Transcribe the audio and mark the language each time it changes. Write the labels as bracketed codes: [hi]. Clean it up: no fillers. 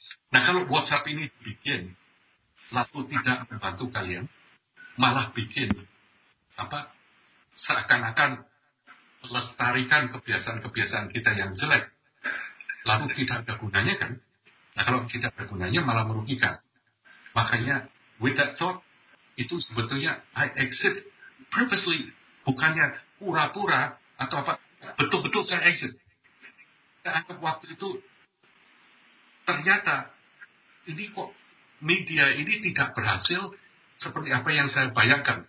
[id] Nah kalau WhatsApp ini bikin, lalu tidak membantu kalian, malah bikin seakan-akan melestarikan kebiasaan-kebiasaan kita yang jelek, lalu tidak ada gunanya kan? Nah kalau tidak ada gunanya malah merugikan. Makanya [en] with that thought, [id] itu sebetulnya [en] I exit purposely. [id] Bukannya pura-pura atau apa, betul-betul saya exit. Saya anggap waktu itu ternyata ini kok media ini tidak berhasil seperti apa yang saya bayangkan.